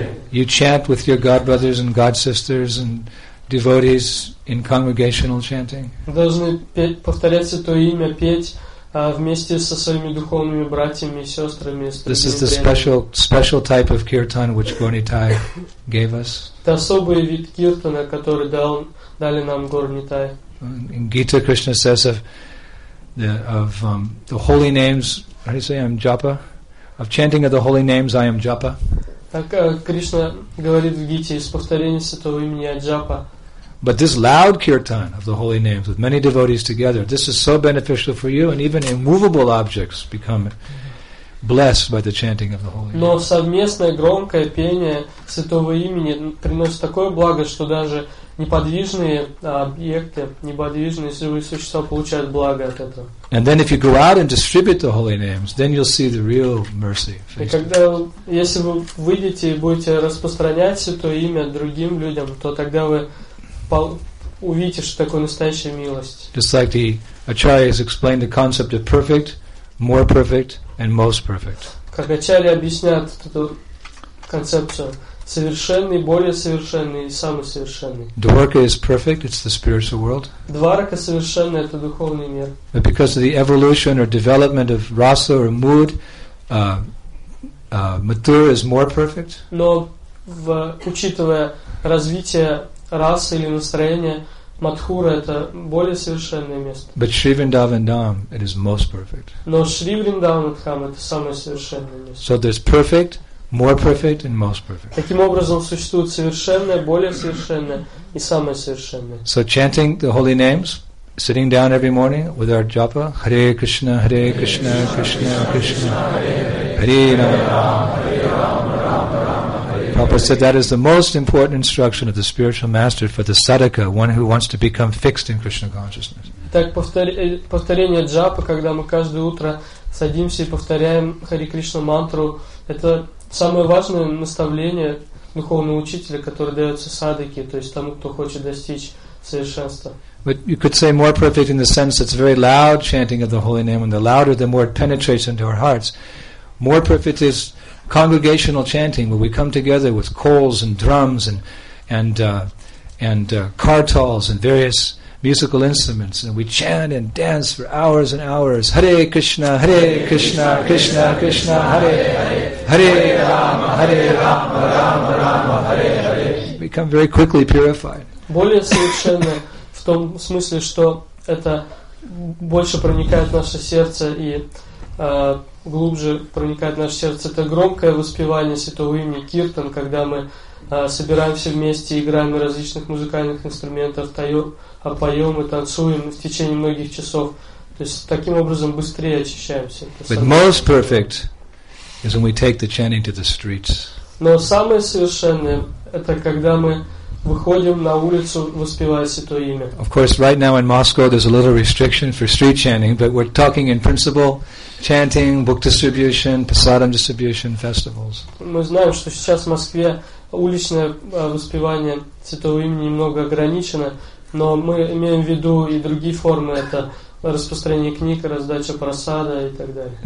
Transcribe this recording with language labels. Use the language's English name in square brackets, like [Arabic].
[English] You chant with your God brothers and God sisters and devotees in congregational chanting. [Russian] Должны повторять Святое Имя, петь вместе со своими духовными братьями и сестрами. [English] This is the special type of kirtan which Gornitai gave us. [Russian] Это особый вид киртана, который дали нам Gornitai. [English] In Gita, Krishna says of the holy names. How do you say? I'm japa. Of chanting of the holy names, I am japa. [Russian] Так Кришна говорит в Гите, из повторения Святого Имени Джапа. [English] But this loud kirtan of the holy names with many devotees together, this is so beneficial for you, and even immovable objects become blessed by the chanting of the holy names. [Russian] Но совместное громкое пение Святого Имени приносит такое благо, что даже неподвижные объекты, неподвижные живые существа получают благо от этого. [English] And then if you go out and distribute the holy names, then you'll see the real mercy. [Russian] И когда, если вы выйдете и будете распространять Святое Имя другим людям, то тогда вы увидите, что такое настоящая милость. [English] Just like the Acharya has explained the concept of perfect, more perfect, and most perfect. [Russian] Как Ачарья объясняет эту концепцию. Совершенный, более совершенный и самый совершенный. [English] Dvarka is perfect, it's the spiritual world. [Russian] Dvarka совершенный, это духовный мир. [English] But because of the evolution or development of rasa or mood, Mathura is more perfect. [Russian] Но учитывая развитие расы или настроения, Мадхура это более совершенное место. [English] But Shri Vrindavan Dham, it is most perfect. [Russian] Но Shri Vrindavan Dham это самое совершенное место. [English] So there's perfect, more perfect and most perfect. [Russian] Таким образом существует совершенное, более совершенное и самое совершенное. [English] So chanting the holy names, sitting down every morning with our japa, [Sanskrit] Hare Krishna, Hare Krishna, Krishna Krishna, Hare Rama, [English] Prabhupada said that is the most important instruction of the spiritual master for the sadhaka, one who wants to become fixed in Krishna consciousness. [Russian] Так повторение джапы, когда мы каждое утро садимся и повторяем Хари Кришна мантру, это самое важное наставление духовного учителя, которое дается садхаке, то есть тому, кто хочет достичь совершенства. [English] But you could say more perfect in the sense that it's very loud chanting of the holy name, and the louder, the more it penetrates into our hearts. More perfect is congregational chanting, where we come together with coals and drums and kartals and various musical instruments, and we chant and dance for hours and hours. [Sanskrit] Hare Krishna, Hare Krishna, Krishna Krishna, Krishna, Krishna Hare Hare, Hare Rama, Hare Rama, Rama Rama, Rama Hare Hare. [English] We become very quickly purified. [Russian] Более совершенно в том смысле, что это больше проникает в наше сердце и глубже проникает в наше сердце. Это громкое воспевание святого имени Киртан, когда мы собираемся вместе, играем на различных музыкальных инструментах, поем и танцуем в течение многих часов. То есть таким образом быстрее очищаемся. [English] But most perfect is when we take the chanting to the streets. [Russian] Но самое совершенное – это когда мы выходим на улицу, воспевая святое имя. [English] Of course, right now in Moscow there's a little restriction for street chanting, but we're talking in principle chanting, book distribution, prasadam distribution, festivals. [Russian] Мы знаем, что сейчас в Москве уличное воспевание святого имени немного ограничено, но мы имеем в виду и другие формы, это распространение книг, раздача просада и так далее.